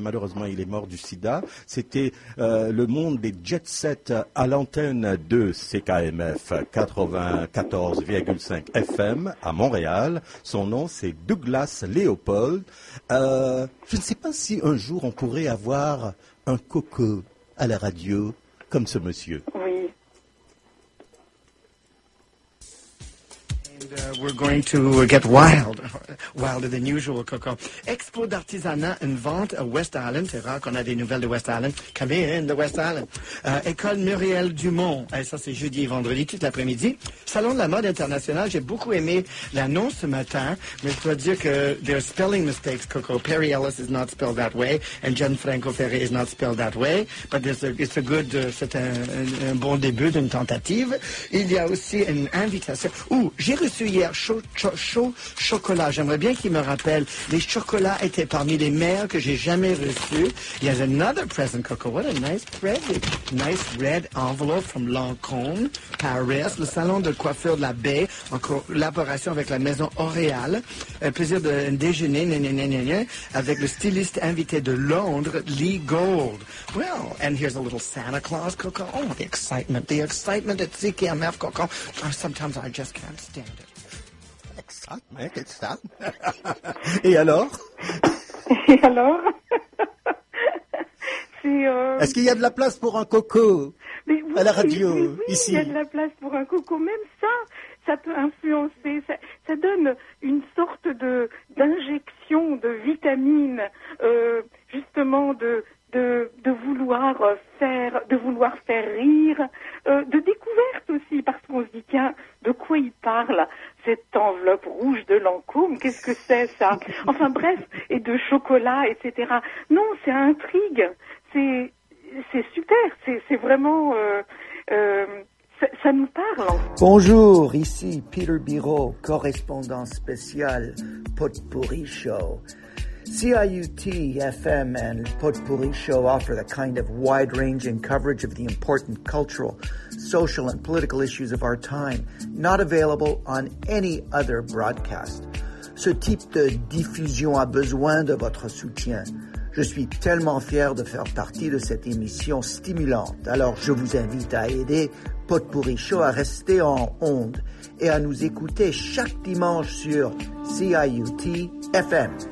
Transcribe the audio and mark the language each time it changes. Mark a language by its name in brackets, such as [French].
[French] Malheureusement, il est mort du sida. C'était le monde des jet-sets à l'antenne de CKMF 94,5 FM à Montréal. Son nom, c'est Douglas Léopold. Je ne sais pas si un jour on pourrait avoir un coco à la radio comme ce monsieur. [English] We're going to get wild, wilder than usual, Coco. [French] Expo d'artisanat, une vente à West Island. C'est rare qu'on a des nouvelles de West Island. [English] Come in, the West Island. [French] École Muriel Dumont. Ça, c'est jeudi et vendredi, toute l'après-midi. Salon de la mode internationale. J'ai beaucoup aimé l'annonce ce matin. Mais je dois dire que [English] there are spelling mistakes, Coco. Perry Ellis is not spelled that way. And Gianfranco Ferré is not spelled that way. But [French] c'est un bon début d'une tentative. Il y a aussi une invitation. J'ai reçu hier chaud chocolat. J'aimerais bien qu'il me rappelle. Les chocolats étaient parmi les meilleurs que j'ai jamais reçus. Il y a [English] another present, Coco. What a nice present. Nice red envelope from Lancôme, Paris. [French] Le salon de coiffure de la baie en collaboration avec la maison Oréal. Un plaisir de déjeuner avec le styliste invité de Londres, Lee Gold. [English] Well, and here's a little Santa Claus, Coco. Oh, the excitement. The excitement at CKMF, Coco. Sometimes I just can't stand. [French] Et alors? Et alors Est-ce qu'il y a de la place pour un coco oui, à la radio, oui, ici? Il y a de la place pour un coco. Même ça, ça peut influencer. Ça donne une sorte d'injection de vitamines, justement, de vouloir faire rire, de découverte aussi, parce qu'on se dit, tiens, de quoi il parle, cette enveloppe rouge de Lancôme, qu'est-ce que c'est ça? Enfin bref, et de chocolat, etc. Non, c'est intrigue, c'est super, c'est vraiment, ça nous parle. Bonjour, ici Peter Biro, correspondant spécial Potpourri Show. [English] CIUT-FM and Potpourri Show offer the kind of wide-ranging coverage of the important cultural, social, and political issues of our time, not available on any other broadcast. [French] Ce type de diffusion a besoin de votre soutien. Je suis tellement fier de faire partie de cette émission stimulante, alors je vous invite à aider Potpourri Show à rester en onde et à nous écouter chaque dimanche sur CIUT-FM.